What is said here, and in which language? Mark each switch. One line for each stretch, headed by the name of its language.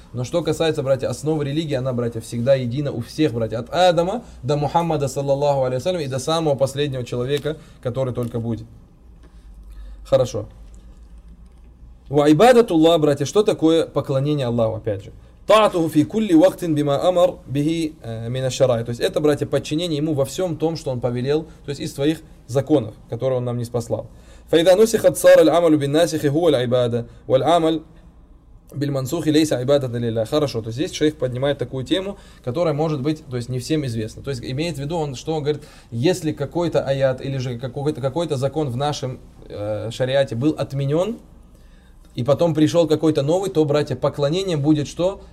Russian: Но что касается, братья, основы религии, она, братья, всегда едина у всех, братья, от Адама до Мухаммада, саллаллаху алейхи ва саллям, и до самого последнего человека, который только будет. Хорошо.
Arabic: وعبادة الله
Russian: братья, что такое поклонение Аллаху, опять же.
Arabic: طاعته في كل وقت بما أمر به من الشرائع.
Russian: То есть это, братья, подчинение ему во всем том, что он повелел, то есть из своих законов, которые он нам не спаслал.
Arabic: فإذا نسخ صار العمل بالناسخ هو العبادة والعمل بالمنسوخ ليس عبادة لله.
Russian: Хорошо, то есть здесь шейх поднимает такую тему, которая может быть, то есть не всем известна. То есть имеет в виду он, что он говорит, если какой-то аят или же какой-то закон в нашем шариате был отменен, и потом пришел какой-то новый, то, братья, поклонение будет что?